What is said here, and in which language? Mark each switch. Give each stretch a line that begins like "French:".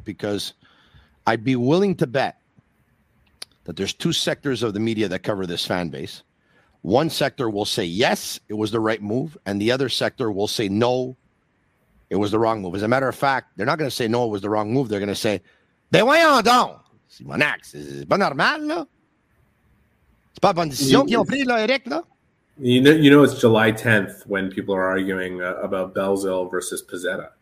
English: Because I'd be willing to bet that there's two sectors of the media that cover this fan base. One sector will say, yes, it was the right move. And the other sector will say, no, it was the wrong move. As a matter of fact, they're not going to say, no, it was the wrong move. They're going to say, they went on down.
French: C'est mon axe. C'est pas normal, là. C'est pas bonne décision qu'ils ont pris, là, Eric, là.
English: You know it's July 10th when people are arguing about Belzil versus Pezzetta.